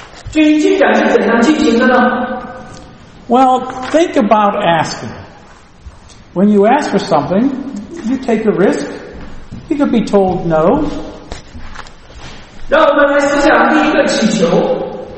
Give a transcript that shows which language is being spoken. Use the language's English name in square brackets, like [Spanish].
[Chinese] 这一进展是怎样进行的呢？ [English] Well, think about asking. When you ask for something, you take a risk. You could be told no. [Chinese] 让我们来思想第一个祈求。